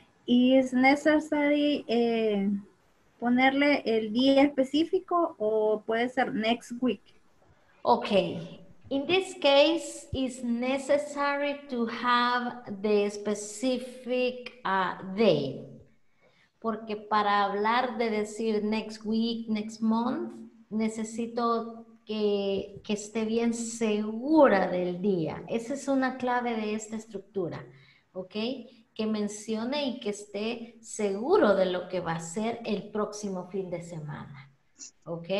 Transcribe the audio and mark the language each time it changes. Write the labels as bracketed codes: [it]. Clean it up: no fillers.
[es] ¿Es necesario ponerle el día específico o puede ser [en] next week? Okay. In this case, it's necessary to have the specific day. [es] Porque para hablar de decir [en] next week, next month, [es] necesito que esté bien segura del día. Esa es una clave de esta estructura, ¿ok? Que mencione y que esté seguro de lo que va a ser el próximo fin de semana, ¿ok?